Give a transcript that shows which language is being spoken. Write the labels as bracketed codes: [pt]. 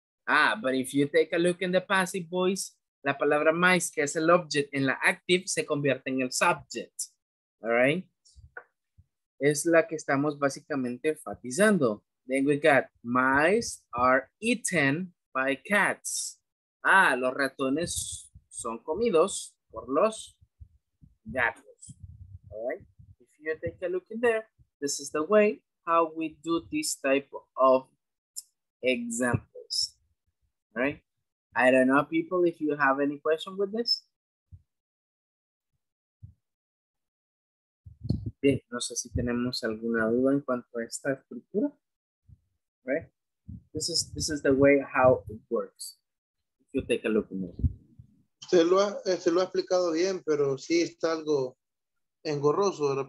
[es] Ah, [en] but if you take a look in the passive voice, [es] la palabra mice, que es el object en la active, se convierte en el subject, all right? Es la que estamos básicamente enfatizando. [en] Then we got, mice are eaten by cats. [es] Ah, los ratones son comidos por los gatos. [en] All right, if you take a look in there, this is the way how we do this type of examples, all right? I don't know, people, if you have any question with this. [es] Bien, no sé si tenemos alguna duda en cuanto a esta estructura, right? [en] This is the way how it works. If you take a look at it. [es] Se lo ha explicado bien, pero sí está algo engorroso, ¿verdad?